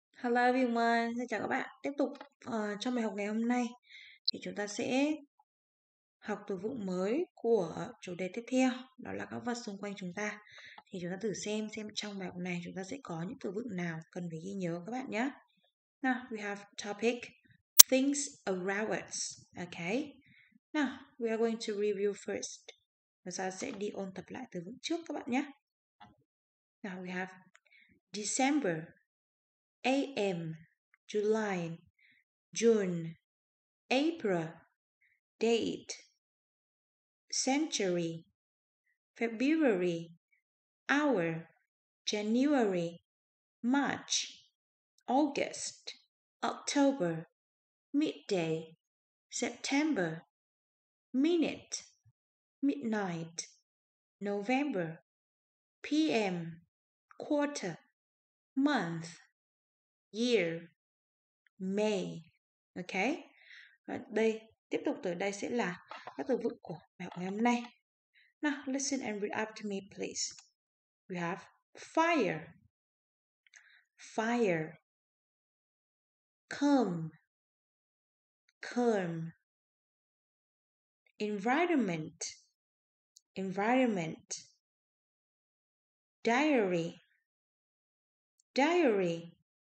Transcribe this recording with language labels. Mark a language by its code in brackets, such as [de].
[en] Hello everyone, [vi] xin chào các bạn. Tiếp tục trong bài học ngày hôm nay thì chúng ta sẽ học từ vựng mới của chủ đề tiếp theo, đó là các vật xung quanh chúng ta. Thì chúng ta thử xem trong bài học này chúng ta sẽ có những từ vựng nào cần phải ghi nhớ các bạn nhé. [en] Now, we have topic things around us. Okay. Now, we are going to review first. [vi] Chúng ta sẽ đi ôn tập lại từ vựng trước các bạn nhé. [en] Now, we have December. AM, July, June, April, date, century, February, hour, January, March, August, October, midday, September, minute, midnight, November, PM, quarter, month, year, May. Ok. [vi] Và đây, tiếp tục tới đây sẽ là các từ vựng của bài học ngày hôm nay. [en] Now, listen and read after me, please. We have fire. Fire. Come. Come. Environment. Environment. Diary. Diary.